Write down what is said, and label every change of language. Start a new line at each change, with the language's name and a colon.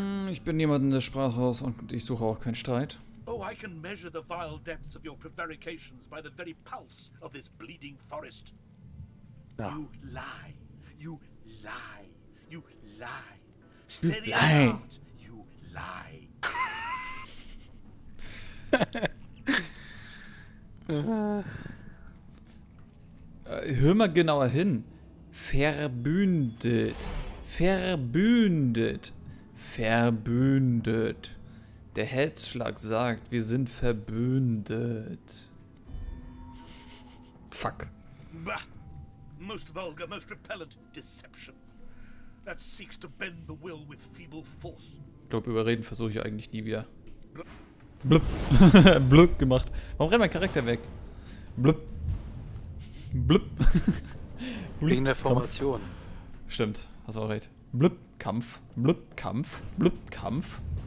German: Ich bin niemand in der Sprachhaus und ich suche auch keinen Streit.
English: Oh, I can measure the vile depths of your prevarications by the very pulse of this bleeding forest. Ja. You lie. You lie. You lie. Steady heart, you lie.
German: Hör mal genauer hin. Verbündet. Verbündet. Verbündet. Der Herzschlag sagt, wir sind verbündet.
English: Fuck. Bah! Most vulgar, most repellent deception. That seeks to bend the will with feeble force.
German: Ich glaube, überreden versuche ich eigentlich nie wieder. Blub. Blub gemacht. Warum rennt mein Charakter weg? Blub. Blub. Blub. Wegen der Formation. Kampf. Stimmt, hast auch recht. Blub. Kampf, blub, Kampf, blub, Kampf.